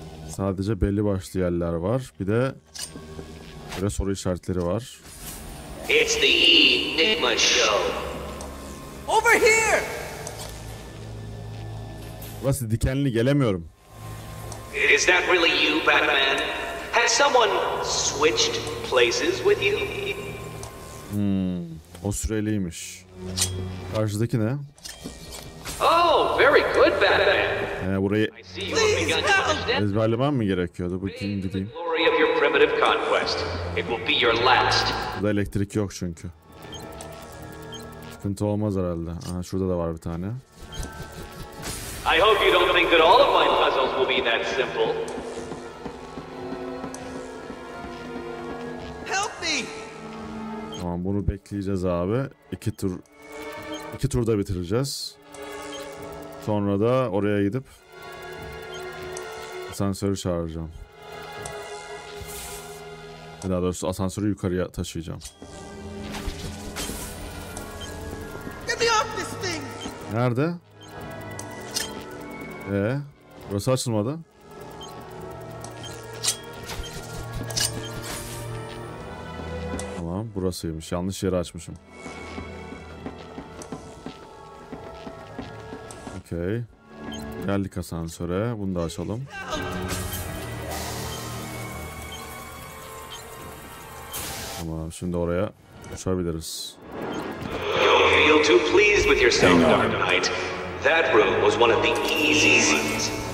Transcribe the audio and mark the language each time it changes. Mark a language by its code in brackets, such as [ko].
[tr] Sadece belli başlı yerler var. Bir de böyle soru işaretleri var. [en] It's the Enigma Show. Over here. [tr] Burası dikenli, gelemiyorum. [en] Is that really you, Batman? Has someone switched places with you? [tr] O süreliymiş. Karşıdaki ne? [en] Oh, very good, Batman. [tr] Burayı [en] please, [tr] ezberlemem mi gerekiyordu? Bu kim gideyim? [en] Glory of your primitive conquest. It will be your last. [tr] Burada elektrik yok çünkü. Sıkıntı olmaz herhalde. Aha, şurada da var bir tane. [en] I hope you don't think that all of my puzzles will be that simple. Help me. [tr] Tamam, bunu bekleyeceğiz abi. İki turda bitireceğiz. Sonra da oraya gidip asansörü çağıracağım. Daha doğrusu asansörü yukarıya taşıyacağım. [en] Get me off this thing. [tr] Nerede? Burası açılmadı. Tamam, burasıymış. Yanlış yeri açmışım. Okey. Geldik asansöre. Bunu da açalım. Tamam, şimdi oraya uçabiliriz. [en] You'll feel too pleased with yourself, Dark Knight. That room was one of the easy ones.